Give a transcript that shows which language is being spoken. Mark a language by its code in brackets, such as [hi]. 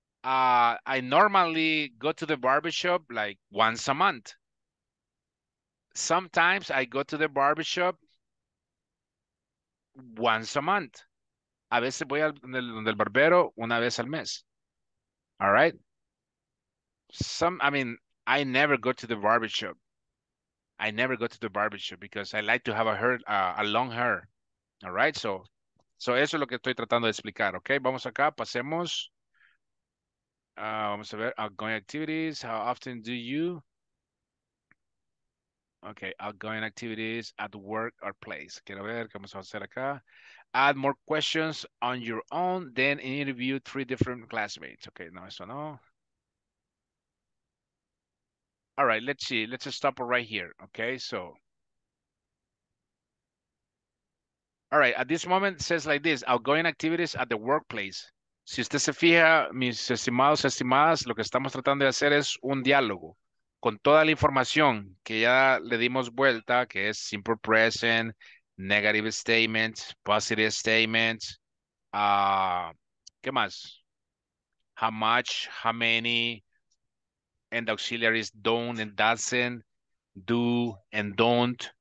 [en] I normally go to the barbershop like once a month. Sometimes I go to the barbershop once a month. [es] A veces voy al del barbero una vez al mes. [en] All right? I never go to the barbershop. I never go to the barbershop because I like to have a long hair. All right? [es] So eso es lo que estoy tratando de explicar, okay? Vamos acá, pasemos. Vamos a ver, [en] outgoing activities, how often do you? [es] Okay, [en] outgoing activities at work or place. [es] Quiero ver, ¿qué vamos a hacer acá? [en] Add more questions on your own, then interview three different classmates. Okay, no, [es] eso no. [en] All right, let's see. Let's just stop right here, okay? So, all right, at this moment, it says like this, outgoing activities at the workplace. [es] Si usted se fija, mis estimados, estimadas, lo que estamos tratando de hacer es un diálogo con toda la información que ya le dimos vuelta, que es [en] simple present, negative statements, positive statements. [es] ¿Qué más? [en] How much, how many, and auxiliaries don't and doesn't, do and don't.